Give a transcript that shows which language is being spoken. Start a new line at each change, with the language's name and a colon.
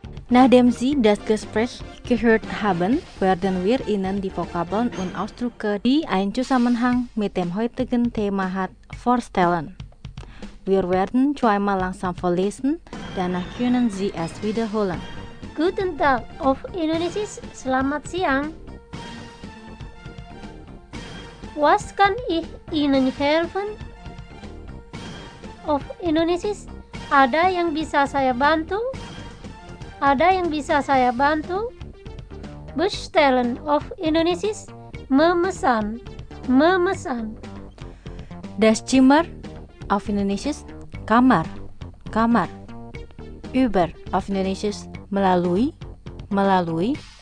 German: Nachdem Sie das Gespräch gehört haben, werden wir Ihnen die Vokabeln und Ausdrücke, die einen Zusammenhang mit dem heutigen Thema hat, vorstellen. Wir werden zweimal langsam vorlesen, danach können Sie es wiederholen. Guten Tag auf Indonesisch,
Indonesian: selamat siang.
German: Was kann ich Ihnen helfen? Auf Indonesisch,
Indonesian: ada yang bisa saya bantu? Ada yang bisa saya bantu?
German: Bestellen auf Indonesisch,
Indonesian: memesan, memesan.
German: Das Zimmer auf Indonesisch,
Indonesian: kamar, kamar.
German: Über auf Indonesisch,
Indonesian: melalui, melalui.